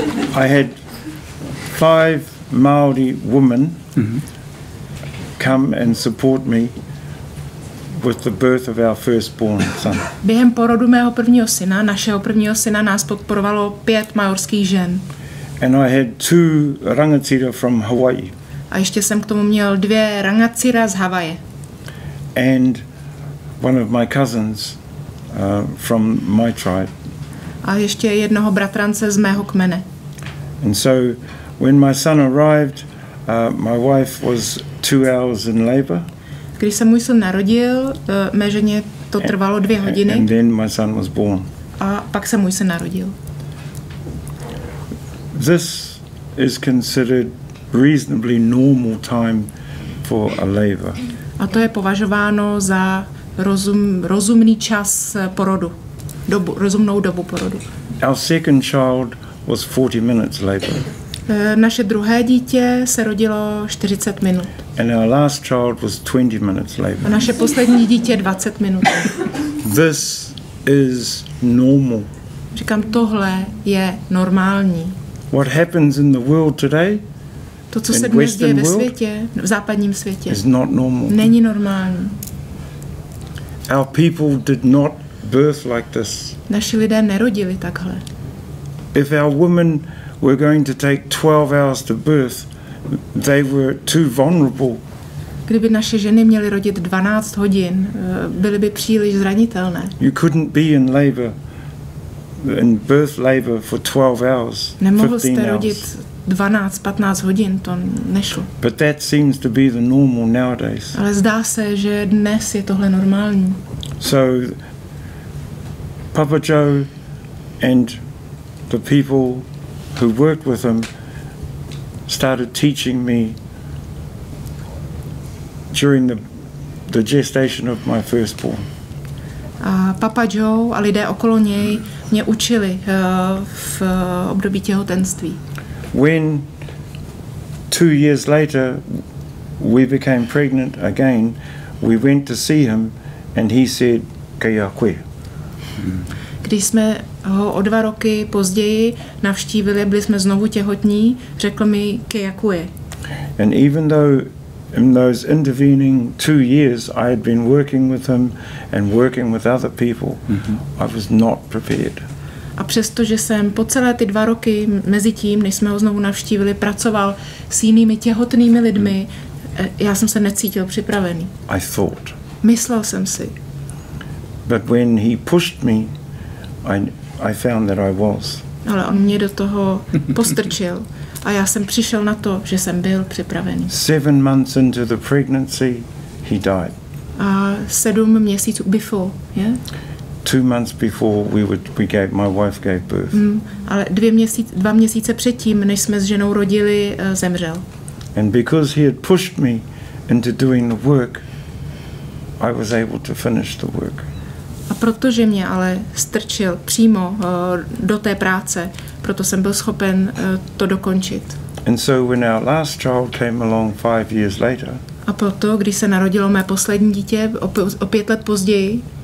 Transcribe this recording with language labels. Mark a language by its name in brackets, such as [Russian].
[English] I had 5 Maori women come and support me with the birth of our firstborn son. [Czech] Během porodu mého prvního syna, našeho prvního syna, nás podporovalo 5 maorských žen. [English] And I had 2 rangatira from Hawaii. [Czech] A ještě jsem k tomu měl 2 rangatira z Havaje. [English] And one of my cousins from my tribe. [Czech] A ještě jednoho bratrance z mého kmene. [English] And so when my son arrived, my wife was 2 hours in labor. [Czech] Když se můj syn narodil, mé ženě to trvalo 2 hodiny. [English] And then my son was born. [Czech] A pak se můj syn narodil. [English] This is considered reasonably normal time for a labor. [Czech] A to je považováno za rozumný čas porodu. Rozumnou dobu porodu. [English] Our second child was 40 minutes later. [Czech] Naše druhé dítě se rodilo 40 minut. [English] And our last child was 20 minutes later. [Czech] A naše poslední dítě 20 minut. [English] This is normal. [Czech] Říkám, tohle je normální. [English] What happens in the world today? [Czech] To, co se dnes děje ve světě, v západním světě, [English] is not normal. [Czech] Není normální. [English] Our people did not birth like this. [Czech] Naši lidé nerodili takhle. [English] If our women were going to take 12 hours to birth, they were too vulnerable. [Czech] Kdyby naše ženy měly rodit 12 hodin, byly by příliš zranitelné. [English] You couldn't be in labor, in birth labor for 12 hours. [Czech] Nemohl jste rodit 12-15 hodin, to nešlo. [English] But that seems to be the normal nowadays. [Czech] Ale zdá se, že dnes je tohle normální. [English] So Papa Joe and the people who worked with him started teaching me during the gestation of my firstborn. [Czech] A Papa Joe a lidé okolo něj mě učili v období těhotenství. [English] When 2 years later we became pregnant again, we went to see him and he said, "Kaya kwe." [Czech] Když jsme ho o 2 roky později navštívili, byli jsme znovu těhotní, řekl mi "Kaya kwe." [English] And even though in those intervening 2 years I had been working with him and working with other people, I was not prepared. [Czech] A přesto, že jsem po celé ty 2 roky mezi tím, než jsme ho znovu navštívili, pracoval s jinými těhotnými lidmi, já jsem se necítil připravený. [English] I thought. [Czech] Myslel jsem si. [English] But when he pushed me, I found that I was. [Czech] Ale on mě do toho postrčil a já jsem přišel na to, že jsem byl připravený. [English] 7 months into the pregnancy, he died. [Czech] A 7 měsíců [English] before, yeah? 2 months before my wife gave birth. [Czech] Ale 2 měsíce předtím, než jsme s ženou rodili, zemřel. [English] And because he had pushed me into doing the work, I was able to finish the work. [Czech] A protože mě ale strčil přímo do té práce, proto jsem byl schopen to dokončit. [English] And so when our last child came along 5 years later. [Czech] A proto, když se narodilo mé poslední dítě o 5 let později.